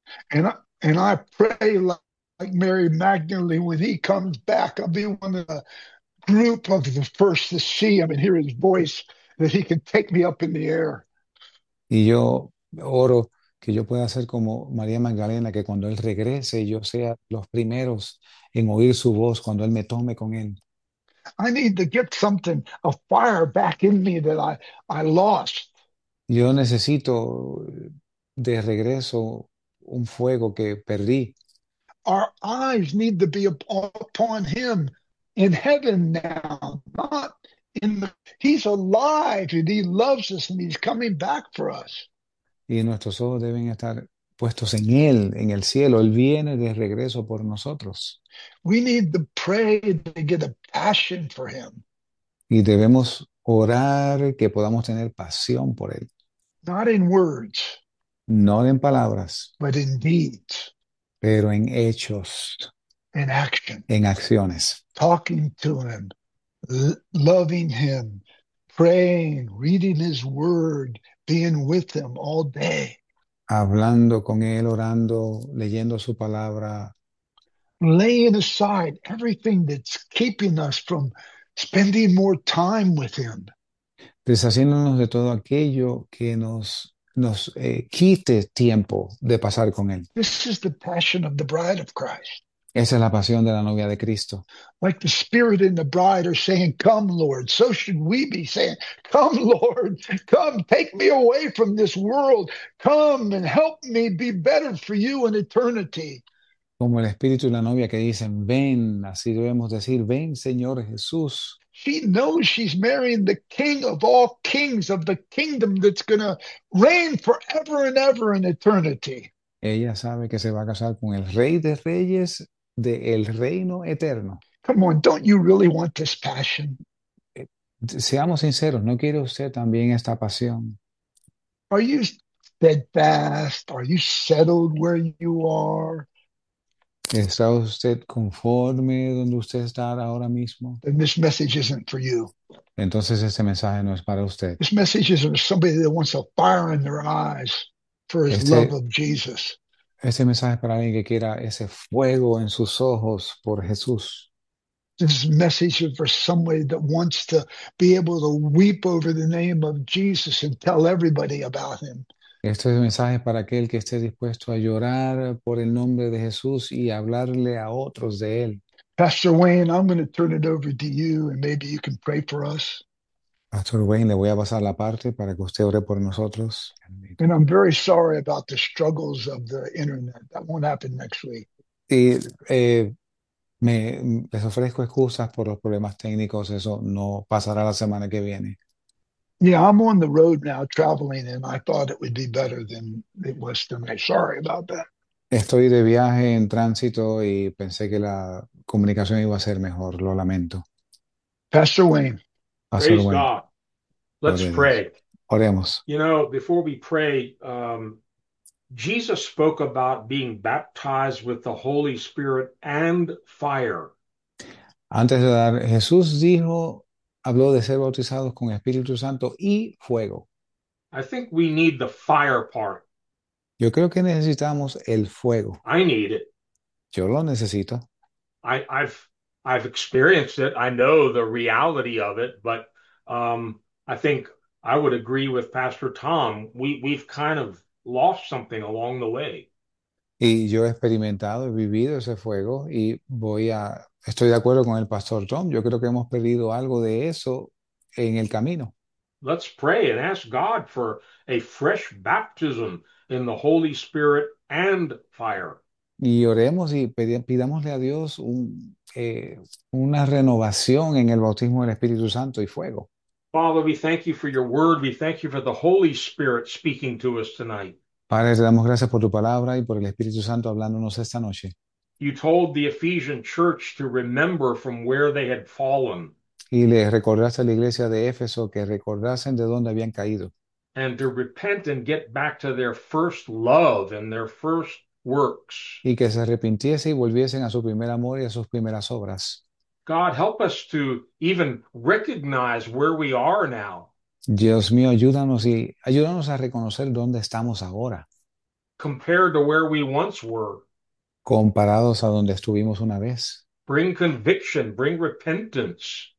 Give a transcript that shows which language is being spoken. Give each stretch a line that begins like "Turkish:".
English: And I pray like Mary Magdalene, when he comes back, I'll be one of the group of the first to see him and hear his voice, that he can take me up in the air.
Spanish: Y yo oro que yo pueda ser como María Magdalena, que cuando él regrese yo sea los primeros en oír su voz cuando él me tome con él.
English: I need to get something, a fire back in me that I lost.
Spanish: Yo necesito de regreso un fuego que perdí.
English: Our eyes need to be upon him in heaven now, not in the. He's alive and he loves us and he's coming back for us.
Spanish: Y nuestros ojos deben estar puestos en Él, en el cielo. Él viene de regreso por nosotros.
English: We need to pray to get a passion for him.
Spanish: Y debemos orar que podamos tener pasión por Él.
English: Not in words,
Spanish: No en palabras,
English: but in deeds.
Spanish: pero en hechos,
English: In action,
Spanish: en acciones.
English: talking to him, loving him, praying, reading his word, being with him all day.
Spanish: Hablando con él, orando, leyendo su palabra.
English: Laying aside everything that's keeping us from spending more time with him.
Spanish: Deshaciéndonos de todo aquello que nos quite tiempo de pasar con él.
English: This is the passion of the bride of Christ.
Spanish: Esa es la pasión de la novia de Cristo.
English: Like the spirit and the bride are saying, come, Lord, so should we be saying, come, Lord, come, take me away from this world. Come and help me be better for you in eternity.
Spanish: Como el espíritu y la novia que dicen, ven, así debemos decir, ven, Señor Jesús.
English: She knows she's marrying the king of all kings of the kingdom that's going to reign forever and ever in eternity.
Spanish: Ella sabe que se va a casar con el rey de reyes del reino eterno.
English: Come on, don't you really want this passion?
Spanish: Seamos sinceros, ¿no quiere usted también esta pasión?
English: Are you steadfast? Are you settled where you are?
Spanish: ¿Está usted conforme donde usted está ahora mismo?
English: Then this message isn't for you.
Spanish: Entonces este mensaje no es para usted.
English: This message is for somebody that wants a fire in their eyes for his love of Jesus.
Spanish: Este mensaje es para alguien que quiera ese fuego en sus ojos por Jesús.
English: This message is for somebody that wants to be able to weep over the name of Jesus and tell everybody about him.
Spanish: Este es el mensaje para aquel que esté dispuesto a llorar por el nombre de Jesús y hablarle a otros de él.
English: Pastor Wayne, I'm going to turn it over to you and maybe you can pray for us.
Spanish: Pastor Wayne, le voy a pasar la parte para que usted ore por nosotros.
English: And I'm very sorry about the struggles of the internet. That won't happen next week.
Spanish: Les ofrezco excusas por los problemas técnicos. Eso no pasará la semana que viene.
English: Yeah, I'm on the road now traveling and I thought it would be better than it was tonight. Sorry about that.
Spanish: Estoy de viaje en tránsito y pensé que la comunicación iba a ser mejor. Lo lamento.
English: Pastor Wayne, Pastor praise Wayne, God. Let's
Spanish: gloria a Dios.
English: pray.
Spanish: Oremos.
English: You know, before we pray, Jesus spoke about being baptized with the Holy Spirit and fire.
Spanish: Antes de dar, Jesús dijo, habló de ser bautizados con Espíritu Santo y fuego.
English: I think we need the fire part.
Spanish: Yo creo que necesitamos el fuego.
English: I need it.
Spanish: Yo lo necesito.
English: I've experienced it. I know the reality of it, but I think I would agree with Pastor Tom. We've kind of lost something along the way.
Spanish: Y yo he experimentado, he vivido ese fuego y estoy de acuerdo con el pastor Tom. Yo creo que hemos perdido algo de eso en el camino.
English: Let's pray and ask God for a fresh baptism in the Holy Spirit and fire.
Spanish: Y oremos y pidámosle a Dios una renovación en el bautismo del Espíritu Santo y fuego.
English: Father, we thank you for your word. We thank you for the Holy Spirit speaking to us tonight.
Spanish: Padre, te damos gracias por tu palabra y por el Espíritu Santo hablándonos esta noche.
English: You told the Ephesian church to remember from where they had fallen
Spanish: Y le recordaste a la iglesia de Éfeso que recordasen de dónde habían caído.
English: and to repent and get back to their first love and their first works.
Spanish: Y que se arrepintiese y volviesen a su primer amor y a sus primeras obras.
English: God, help us to even recognize where we are now.
Spanish: Dios mío, ayúdanos a reconocer dónde estamos ahora,
English: Compared to where we once were.
Spanish: comparados a donde estuvimos una vez.
English: Bring conviction, bring repentance.